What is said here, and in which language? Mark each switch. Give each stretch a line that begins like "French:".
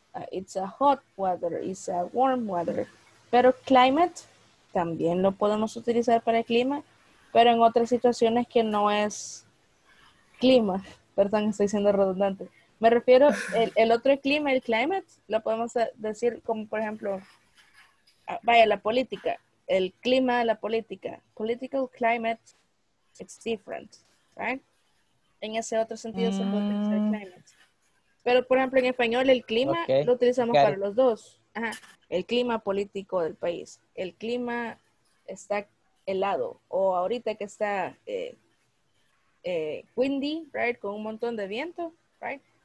English: It's a hot weather, it's a warm weather.
Spanish: Pero climate también lo podemos utilizar para el clima, pero en otras situaciones que no es clima. Perdón, estoy siendo redundante. Me refiero, el otro clima, el climate, lo podemos decir como, por ejemplo, vaya, la política. El clima de la política,
English: political climate, it's different, right?
Spanish: En ese otro sentido se puede utilizar el climate. Pero, por ejemplo, en español el clima lo utilizamos para los dos. Ajá. El clima político del país, el clima está helado, o ahorita que está windy, right, con un montón de viento, right?